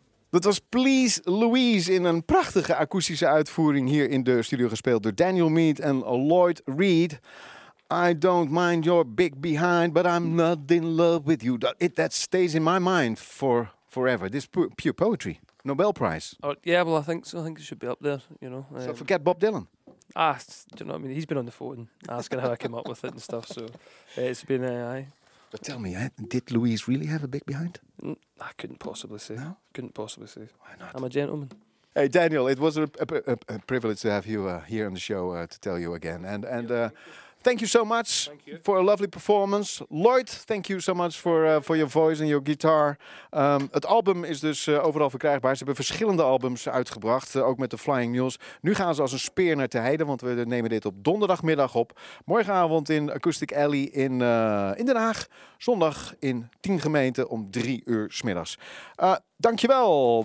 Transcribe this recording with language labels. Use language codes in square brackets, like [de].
[nl] Dat was Please Louise in een prachtige akoestische uitvoering hier in de studio gespeeld door Daniel Meade en Lloyd Reid. [en] I don't mind your big behind, but I'm not in love with you. That stays in my mind for forever. This pure poetry. Nobel Prize. Yeah, well, I think so. I think it should be up there, you know. So forget Bob Dylan. Do you know what I mean? He's been on the phone asking how I came up with it and stuff. So it's been AI. But tell me, did Louise really have a big behind? I couldn't possibly say. No? Couldn't possibly say. Why not? I'm a gentleman. Hey, Daniel, it was a privilege to have you here on the show to tell you again. Thank you so much for a lovely performance. Lloyd, thank you so much for your voice and your guitar. [nl] Het album is dus overal verkrijgbaar. Ze hebben verschillende albums uitgebracht, ook met de Flying Mules. Nu gaan ze als een speer naar de heide, want we nemen dit op donderdagmiddag op. Morgenavond in Acoustic Alley in Den Haag. Zondag in 10 gemeenten om 3:00 'smiddags. Dankjewel.